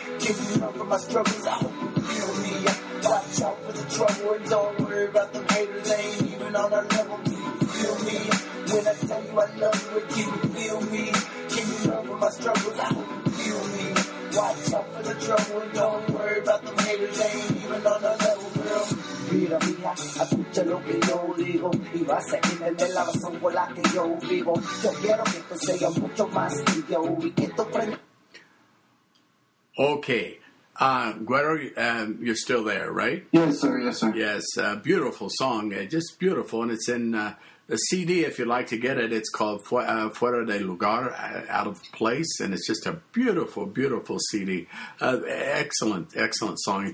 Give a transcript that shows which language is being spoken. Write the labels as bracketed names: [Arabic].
[English] Give me love for my struggles. I hope you feel me. Watch out for the trouble and don't worry about the haters. They ain't even on our level. Can you feel me when I tell you I love you? And can you feel me? Give me love for my struggles. I hope you feel me. Watch out for the trouble and don't worry about the haters. They ain't even on our level. [Spanish] Mira, mija, escucha lo que yo digo y vas a entender la razón por la que yo vivo. Yo quiero que tú seas mucho más que yo y que tú prendas. [English] Okay. Guero, you're still there, right? Yes, sir. Yes, sir. Yes. Beautiful song. Just beautiful. And it's in a CD, if you'd like to get it. It's called Fuera de Lugar, Out of Place. And it's just a beautiful, beautiful CD. Excellent, excellent song.